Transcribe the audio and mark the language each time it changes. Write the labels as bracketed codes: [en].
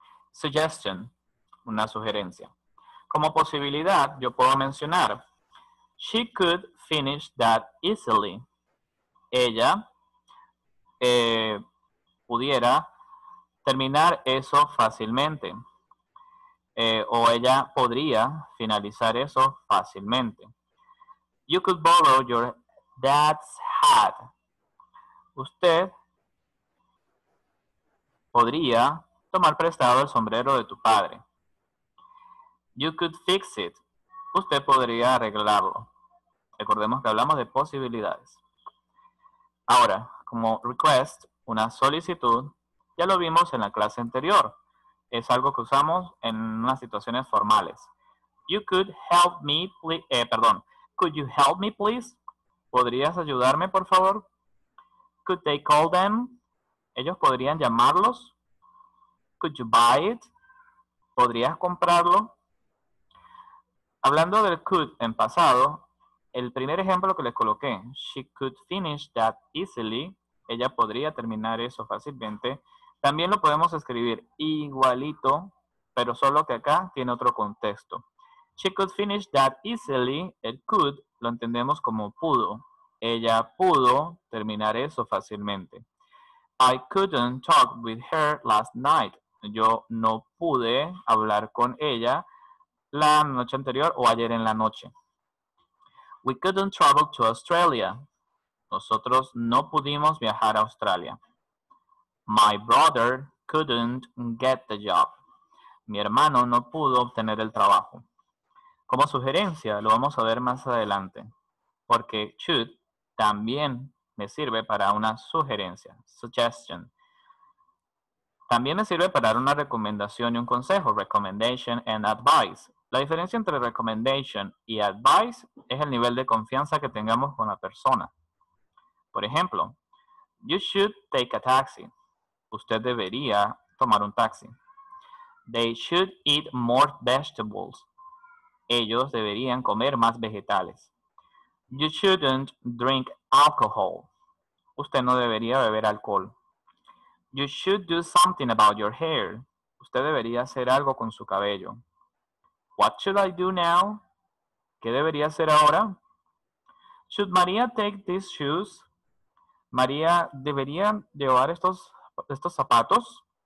[es] Suggestion, una sugerencia. Como posibilidad, yo puedo mencionar, [en] she could finish that easily. [es] Ella pudiera terminar eso fácilmente. O ella podría finalizar eso fácilmente. [en] You could borrow your dad's hat. [es] Usted podría tomar prestado el sombrero de tu padre. [en] You could fix it. [es] Usted podría arreglarlo. Recordemos que hablamos de posibilidades. Ahora, como request, una solicitud, ya lo vimos en la clase anterior. Es algo que usamos en unas situaciones formales. [en] You could help me, please. Perdón. Could you help me, please? [es] ¿Podrías ayudarme, por favor? [en] Could they call them? [es] ¿Ellos podrían llamarlos? [en] Could you buy it? [es] ¿Podrías comprarlo? Hablando del could en pasado, el primer ejemplo que les coloqué, [en] she could finish that easily, [es] ella podría terminar eso fácilmente, también lo podemos escribir igualito, pero solo que acá tiene otro contexto. [en] She could finish that easily, [es] el could lo entendemos como pudo. Ella pudo terminar eso fácilmente. [en] I couldn't talk with her last night. [es] Yo no pude hablar con ella la noche anterior o ayer en la noche. [en] We couldn't travel to Australia. [es] Nosotros no pudimos viajar a Australia. [en] My brother couldn't get the job. [es] Mi hermano no pudo obtener el trabajo. Como sugerencia, lo vamos a ver más adelante, porque should también me sirve para una sugerencia, suggestion. También me sirve para dar una recomendación y un consejo, [en] recommendation and advice. [es] La diferencia entre recommendation y advice es el nivel de confianza que tengamos con la persona. Por ejemplo, [en] you should take a taxi. [es] Usted debería tomar un taxi. [en] They should eat more vegetables. [es] Ellos deberían comer más vegetales. [en] You shouldn't drink alcohol. [es] Usted no debería beber alcohol. [en] You should do something about your hair. [es] Usted debería hacer algo con su cabello. [en] What should I do now? [es] ¿Qué debería hacer ahora? [en] Should Maria take these shoes? [es] ¿María debería llevar estos zapatos?